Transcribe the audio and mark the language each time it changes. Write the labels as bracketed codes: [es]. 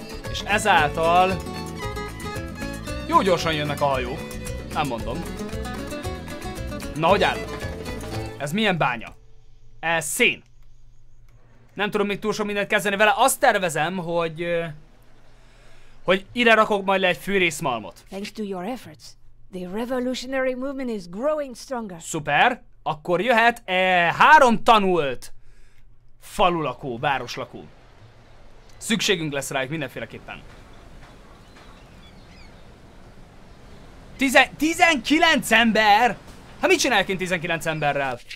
[hu] És ezáltal... Jó gyorsan jönnek a hajók. Nem mondom. Na, hogy állunk? Ez milyen bánya? Ez szén. Nem tudom még túl sok mindent kezdeni vele. Azt tervezem, hogy ide rakok majd le egy fűrészmalmot. [en] Thanks to your efforts, the revolutionary movement is growing stronger. [hu] Szuper. Akkor jöhet 3 tanult falulakó, városlakó. Szükségünk lesz rájuk mindenféleképpen. 19 ember? Hát mit csinálják én 19 emberrel?